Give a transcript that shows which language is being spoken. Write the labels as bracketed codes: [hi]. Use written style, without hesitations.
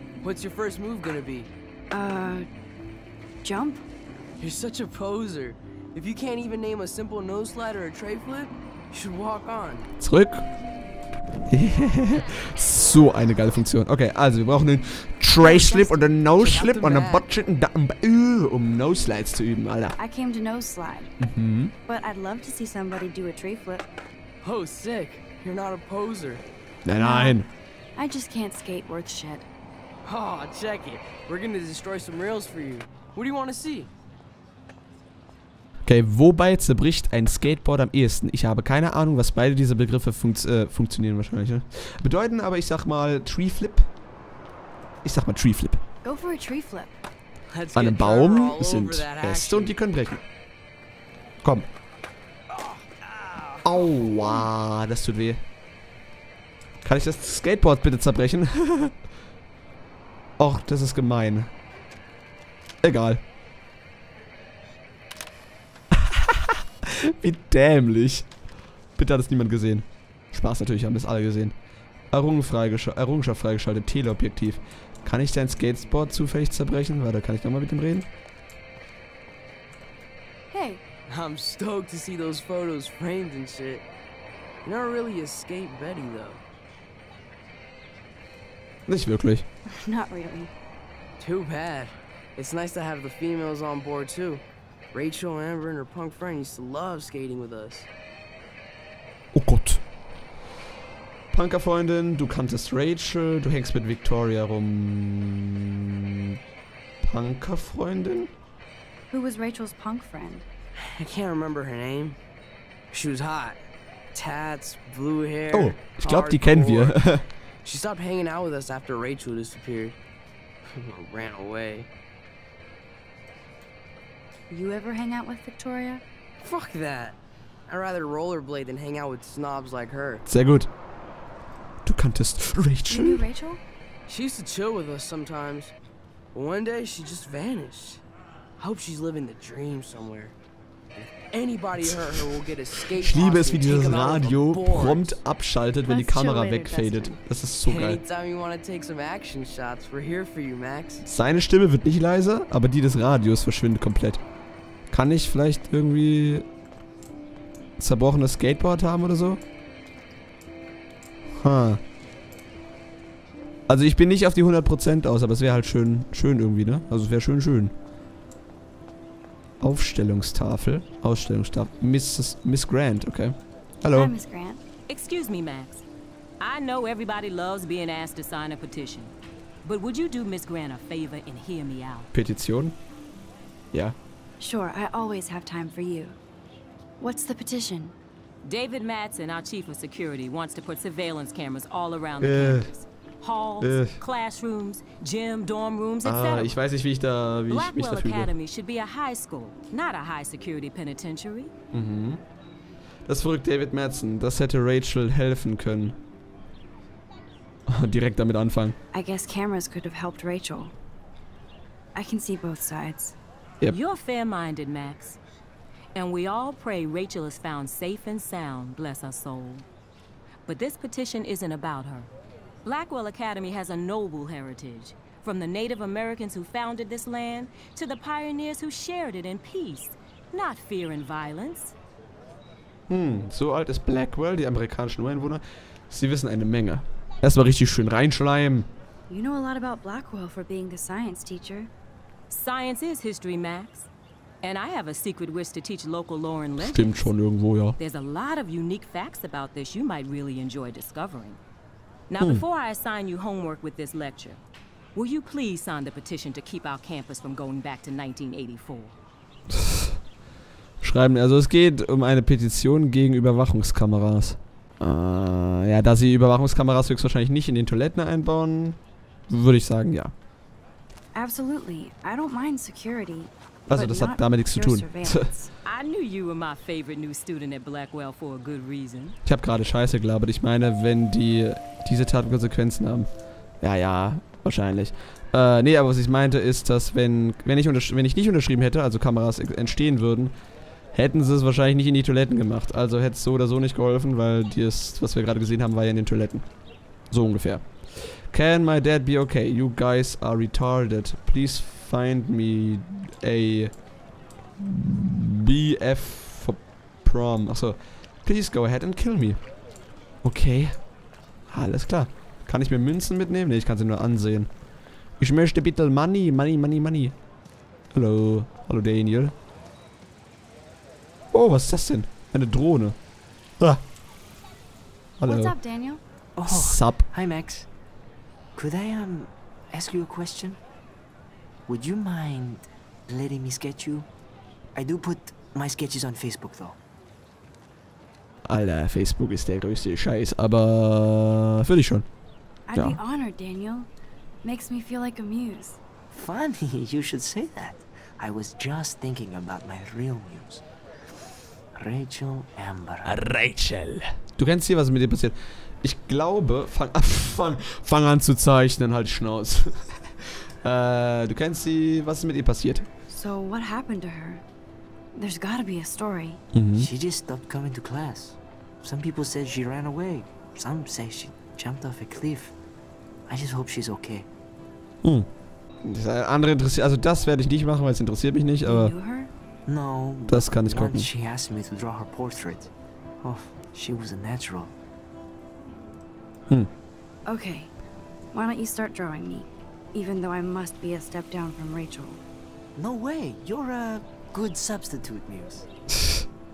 [en] What's your first move gonna be? Jump? You're such a poser. If you can't even name a simple nose slide or a tray flip, you should walk on. [de] Zurück. So eine geile Funktion. Okay, also wir brauchen einen Tray Slip und einen Nose Slip und einen Budget, um Nose Slides zu üben, Alter. [en] I came to Nose Slide. But I'd love to see somebody do a tray flip. Oh, sick. You're not a poser. [de] Nein. [en] I just can't skate worth shit. Oh, check it. We're gonna destroy some rails for you. What do you want to see? [de] Okay, wobei zerbricht ein Skateboard am ehesten? Ich habe keine Ahnung, was beide diese Begriffe funktionieren wahrscheinlich. Bedeuten aber, ich sag mal, Tree Flip. Ich sag mal, Tree Flip. [en] Go for a tree flip. [de] An einem Baum sind Äste und die können brechen. Komm. Aua, das tut weh. Kann ich das Skateboard bitte zerbrechen? Och, das ist gemein. Egal. Wie dämlich. Bitte hat es niemand gesehen. Spaß natürlich, haben das alle gesehen. Errungenschaft freigeschaltet, Teleobjektiv. Kann ich dein Skateboard zufällig zerbrechen? Warte, kann ich nochmal mit ihm reden? Hey. [en] I'm stoked to see those photos framed and shit. You're not really a skate Betty, though. [de] Nicht wirklich. [en] Not really. Too bad. It's nice to have the females on board, too. Rachel, Amber and her punk friend used to love skating with us. [de] Oh Gott. Punkerfreundin, du kanntest Rachel, du hängst mit Victoria rum. Punkerfreundin? [en] Who was Rachel's punk friend? I can't remember her name. She was hot. Tats, blue hair. [de] Oh, ich glaube, die kennen wir. [en] She stopped hanging out with us after Rachel disappeared. Ran away. You ever hang out with Victoria? Fuck that. I'd rather rollerblade than hang out with snobs like her. [de] Sehr gut. Du kanntest Rachel? [en] You knew Rachel? She used to chill with us sometimes. But one day she just vanished. I hope she's living the dream somewhere. If anybody hurt her, we'll get a skate. [de] Ich liebe es, wie dieses Radio prompt abschaltet, wenn die Kamera wegfadet. Das ist so geil. [en] Anytime you wanna take some action shots, we're here for you, Max. [de] Seine Stimme wird nicht leiser, aber die des Radios verschwindet komplett. Kann ich vielleicht irgendwie zerbrochenes Skateboard haben oder so? Ha. Also ich bin nicht auf die 100% aus, aber es wäre halt schön, schön irgendwie, ne? Also es wäre schön, schön. Aufstellungstafel. Ausstellungstafel. Miss Grant, okay. Hallo. [en] Hi, Miss Grant. Excuse me, Max. I know everybody loves being asked to sign a petition. But would you do Miss Grant a favor and hear me out? [de] Petition? Ja. [en] Sure, I always have time for you. What's the petition? David Mattson, our chief of security, wants to put surveillance cameras all around the campus. Halls, classrooms, gym, dorm rooms, etc. [de] Ich weiß nicht, wie ich mich da fühle. [en] Blackwell Academy should be a high school, not a high security penitentiary. Mhm. [de] Das verrückt David Mattson. Das hätte Rachel helfen können. Direkt damit anfangen. [en] I guess cameras could have helped Rachel. I can see both sides. Yep. You're fair-minded, Max. And we all pray Rachel is found safe and sound, bless her soul. But this petition isn't about her. Blackwell Academy has a noble heritage, from the Native Americans who founded this land to the pioneers who shared it in peace, not fear and violence. [de] Hm, so alt ist Blackwell, die amerikanischen Ureinwohner. Sie wissen eine Menge. Erstmal richtig schön reinschleimen. [en] You know a lot about Blackwell for being the science teacher. Science is history, Max. And I have a secret wish to teach local lore and legends. [de] Stimmt schon irgendwo, ja. [en] There's a lot of unique facts about this you might really enjoy discovering. Now, before I assign you homework with this lecture, will you please sign the petition to keep our campus from going back to 1984? [de] Schreiben, also es geht um eine Petition gegen Überwachungskameras. Ja, da sie Überwachungskameras höchstwahrscheinlich nicht in den Toiletten einbauen, würde ich sagen, ja. [en] Absolutely. I don't mind security. [de] Also, das hat damit nichts zu tun. [en] I knew you were my favorite new student at Blackwell for a good reason. [de] Ich habe gerade Scheiße gelabert. Ich meine, wenn die diese Taten Konsequenzen haben. Ja, ja, wahrscheinlich. Nee, aber was ich meinte ist, dass wenn ich nicht unterschrieben hätte, also Kameras entstehen würden, hätten sie es wahrscheinlich nicht in die Toiletten gemacht. Also hätte es so oder so nicht geholfen, weil das, was wir gerade gesehen haben, war ja in den Toiletten. So ungefähr. [en] Can my dad be okay? You guys are retarded. Please find me a BF for prom. [de] Achso. [en] Please go ahead and kill me. [de] Okay. Alles klar. Kann ich mir Münzen mitnehmen? Nee, ich kann sie nur ansehen. Ich möchte bitte Money. Hallo. Hallo, Daniel. Oh, was ist das denn? Eine Drohne. Ah. Hallo. [en] What's up, Daniel? Oh, sup. Hi, Max. Could I ask you a question? Would you mind letting me sketch you? I do put my sketches on Facebook, though. [de] Alter, Facebook ist der größte Scheiß, aber für dich schon. [en] I'd be honored, Daniel. Makes me feel like a muse. Funny, you should say that. I was just thinking about my real muse. Rachel Amber. Rachel. [de] Du kennst hier, was mit dir passiert. Ich glaube, fang an zu zeichnen, halt Schnauz. du kennst sie, was ist mit ihr passiert? [en] So, what happened to her? There's gotta be a story. Mhm. She just stopped coming to class. Some people said she ran away. Some say she jumped off a cliff. I just hope she's okay. Hm. [de] Das andere interessiert, also das werde ich nicht machen, weil es interessiert mich nicht, aber... [en] You knew her? No. [de] Das kann ich gucken. [en] She asked me to draw her portrait. Oh, she was a natural. Hm. Okay. Why don't you start drawing me? Even though I must be a step down from Rachel. No way. You're a good substitute, Muse.